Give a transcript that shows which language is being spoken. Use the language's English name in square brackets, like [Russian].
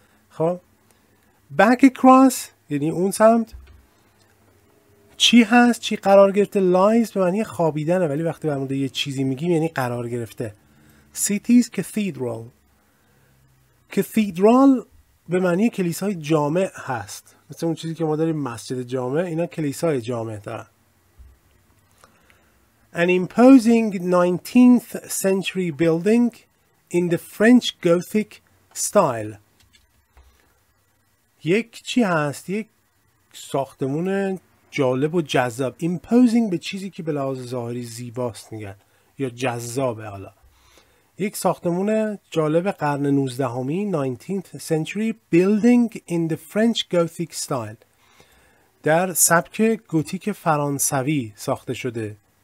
[Persian] خب [English] Back across [Persian] یعنی اون سمت چی هست؟ چی قرار گرفته؟ lies به معنی خوابیدنه، ولی وقتی برمونده یه چیزی میگیم یعنی قرار گرفته. [English] City's cathedral. [Persian] Cathedral به معنی کلیسای جامع هست. مثل اون چیزی که ما داریم مسجد جامع، اینا کلیسای جامع دارن. [English] An imposing 19th century building in the French Gothic style. [Persian] یک چی هست؟ یک ساختمون جالب و جذاب. Imposing به چیزی که به لحاظ ظاهری زیباست میگن یا جذابه. حالا یک ساختمون جالب قرن 19 [English] 19th century building in the French Gothic style، [Persian] در سبک گوتیک فرانسوی ساخته شده.